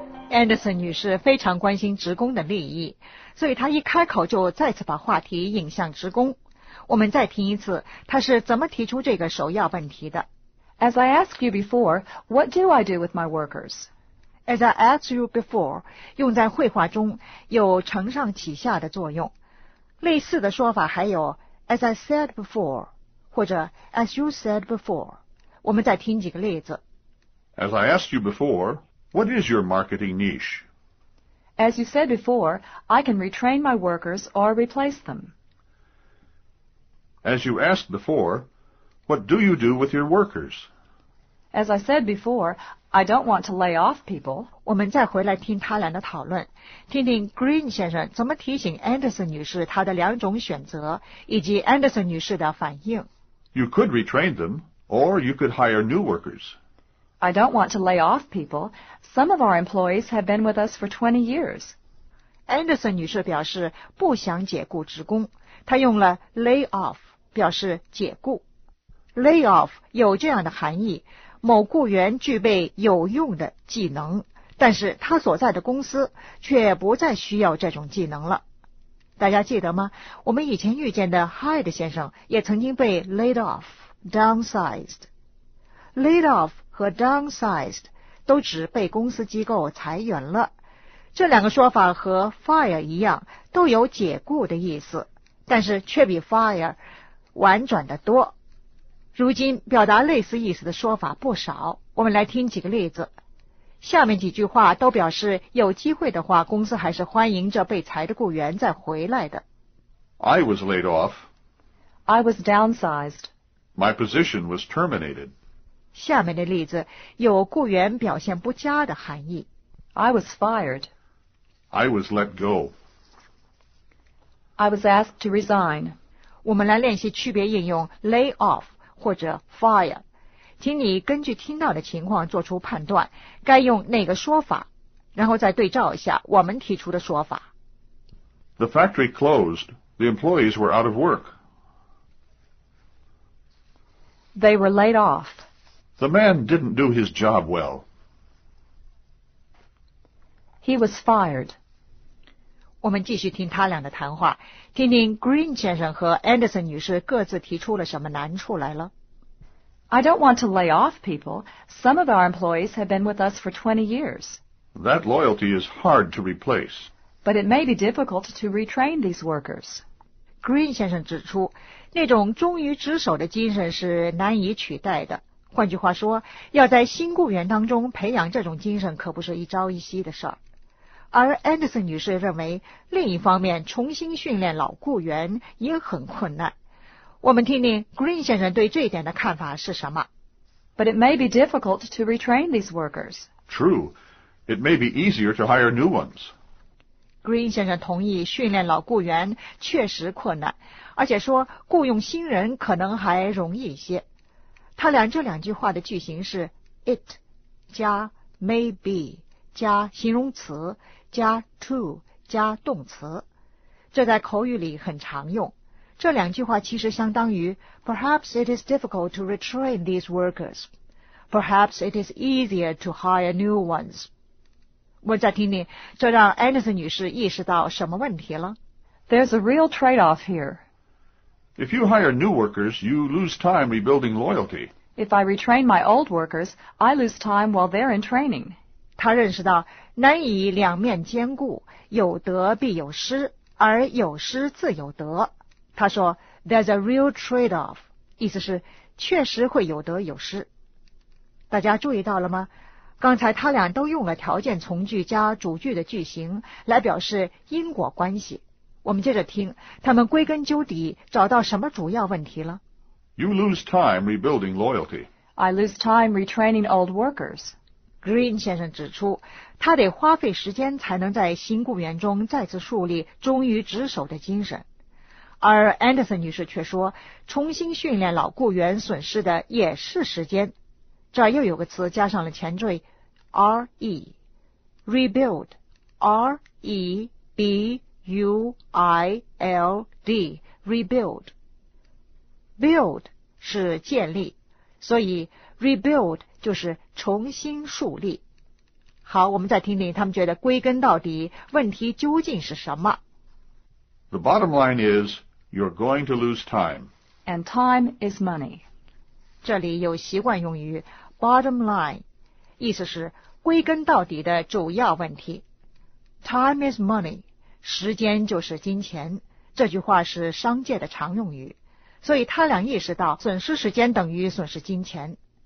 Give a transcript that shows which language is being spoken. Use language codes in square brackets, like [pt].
[zh] Anderson 女士非常关心职工的利益，所以她一开口就再次把话题引向职工。我们再听一次，她是怎么提出这个首要问题的。 [en] As I asked you before, what do I do with my workers? As I asked you before, [zh] 用在会话中有承上启下的作用。类似的说法还有 [en] As I said before,或者 as you said before. [zh] 我们再听几个例子。 [en] As I asked you before, what is your marketing niche? As you said before, I can retrain my workers or replace them. As you asked before, what do you do with your workers? As I said before, I don't want to lay off people. [zh] 我们再回来听他俩的讨论，听听 Green 先生怎么提醒 Anderson 女士她的两种选择，以及 Anderson 女士的反应。 [en] You could retrain them, or you could hire new workers. I don't want to lay off people. Some of our employees have been with us for 20 years. [zh] Anderson 女士表示不想解雇职工，她用了 lay off 表示解雇。 Lay off 有这样的含义，某雇员具备有用的技能，但是他所在的公司却不再需要这种技能了。大家记得吗？我们以前遇见的 Hyde 先生也曾经被 laid off, downsized. Laid off 和 downsized 都指被公司机构裁员了。这两个说法和 fire 一样，都有解雇的意思，但是却比 fire 婉转得多。如今表达类似意思的说法不少，我们来听几个例子。下面几句话都表示有机会的话，公司还是欢迎着被裁的雇员再回来的。 [en] I was laid off. I was downsized. My position was terminated. [zh] 下面的例子有雇员表现不佳的含义。 [en] I was fired. I was let go. I was asked to resign. [zh] 我们来练习区别应用 lay off 或者 fire。请你根据听到的情况做出判断，该用哪个说法，然后再对照一下我们提出的说法。 [en] The factory closed. The employees were out of work. They were laid off. The man didn't do his job well. He was fired. [zh] 我们继续听他俩的谈话，听听 Green 先生和 Anderson 女士各自提出了什么难处来了。 [en] I don't want to lay off people. Some of our employees have been with us for 20 years. That loyalty is hard to replace. But it may be difficult to retrain these workers. [zh] Green 先生指出，那种忠于职守的精神是难以取代的。换句话说，要在新雇员当中培养这种精神可不是一朝一夕的事儿。而 Anderson 女士认为，另一方面，重新训练老雇员也很困难。我们听听 Green 先生对这一点的看法是什么。 [en] But it may be difficult to retrain these workers. True. It may be easier to hire new ones. [zh] Green 先生同意训练老雇员确实困难，而且说雇用新人可能还容易一些。他俩这两句话的句型是 it 加 maybe 加形容词加 to 加动词，这在口语里很常用。这两句话其实相当于 [en] Perhaps it is difficult to retrain these workers. Perhaps it is easier to hire new ones. [zh] 我再听听，这让 Anderson 女士意识到什么问题了。 [en] There's a real trade-off here. If you hire new workers, you lose time rebuilding loyalty. If I retrain my old workers, I lose time while they're in training. [zh] 她认识到难以两面兼顾，有得必有失，而有失自有得。他说 [en] There's a real trade-off, [zh] 意思是确实会有得有失。大家注意到了吗？刚才他俩都用了条件从句加主句的句型来表示因果关系。我们接着听，他们归根究底找到什么主要问题了。 [en] You lose time rebuilding loyalty. I lose time retraining old workers. [zh] Green 先生指出，他得花费时间才能在新雇员中再次树立忠于职守的精神。而 Anderson 女士却说，重新训练老雇员损失的也是时间。这儿又有个词加上了前缀 re, rebuild, R-E-B-U-I-L-D, rebuild. Build 是建立，所以 rebuild 就是重新树立。好，我们再听听他们觉得归根到底问题究竟是什么。 [en] The bottom line is,You're going to lose time. And time is money. [zh] 这里有习惯用于 bottom line, 意思是归根到底的主要问题。 [en] Time is money, [zh] 时间就是金钱。这句话是商界的常用语，所以他俩意识到损失时间等于损失金钱。